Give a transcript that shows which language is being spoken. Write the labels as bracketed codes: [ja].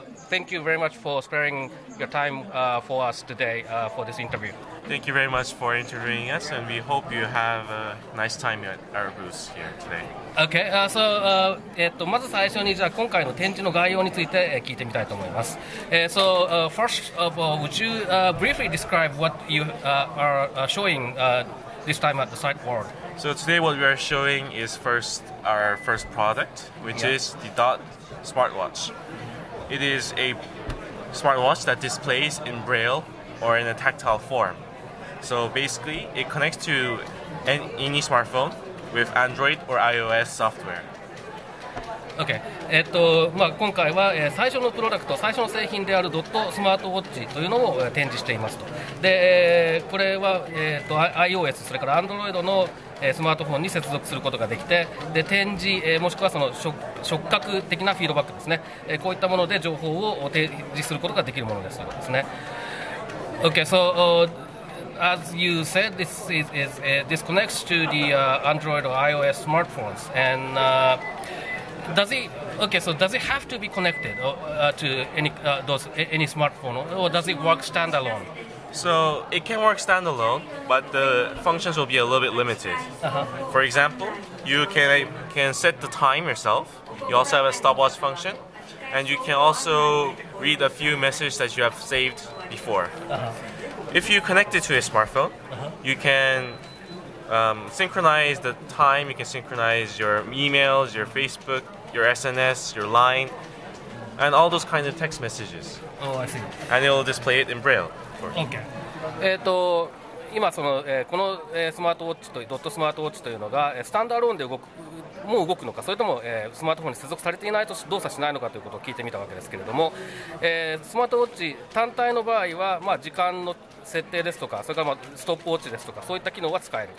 [en] Thank you very much for sparing your time for us today for this interview. Thank you very much for interviewing us, and we hope you have a nice time at our booth here today. Okay, so [ja] まず最初にじゃあ今回の展示の概要について聞いてみたいと思います。 [en] So first of all, would you briefly describe what you are showing this time at the site world? So today what we are showing is first our first product, which is the Dot smartwatch. It is a smartwatch that displays in braille or in a tactile form. So basically, it connects to any smartphone with Android or iOS software. Okay. [ja] 今回は最初のプロダクト、最初の製品であるドットスマートウォッチというのを展示していますと。で、これは iOS、それから Android のスマートフォンに接続することができて、で展示、もしくはその 触覚的なフィードバックですね、こういったもので情報を提示することができるものですとですね。 [en] OK, so as you said, this is this connects to the Android or iOS smartphones, and does it have to be connected to any smartphone, or does it work standalone? So it can work standalone, but the functions will be a little bit limited. For example, you can set the time yourself. You also have a stopwatch function, and you can also read a few messages that you have saved before. If you connect it to a smartphone, you can synchronize the time, you can synchronize your emails, your Facebook, your SNS, your LINE, and all those kinds of text messages. Oh, I see. And it will display it in Braille. Okay. [ja] 今その、このスマートウォッチとドットスマートウォッチというのがスタンドアローンで動くのか、それとも、スマートフォンに接続されていないと動作しないのかということを聞いてみたわけですけれども、スマートウォッチ単体の場合は、まあ、時間の設定ですとか、それから、まあ、ストップウォッチですとか、そういった機能は使える。